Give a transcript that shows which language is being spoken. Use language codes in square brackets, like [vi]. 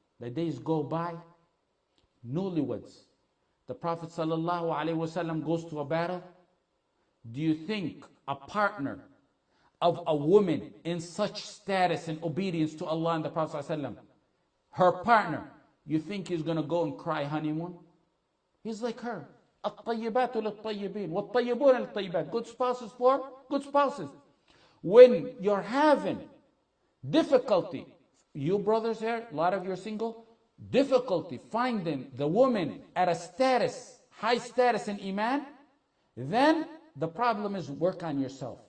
[en] The days go by, newlyweds. The Prophet sallallahu alaihi wasallam goes to a battle. Do you think a partner of a woman in such status and obedience to Allah and the Prophet sallallahu alaihi wasallam, her partner, you think he's going to go and cry honeymoon? He's like her. [ar] الطيبات للطيبين والطيبون للطيبات. [en] Good spouses for good spouses. When you're having difficulty, you brothers here, a lot of you are single, difficulty finding the woman at a status, high status in Iman, then the problem is work on yourself.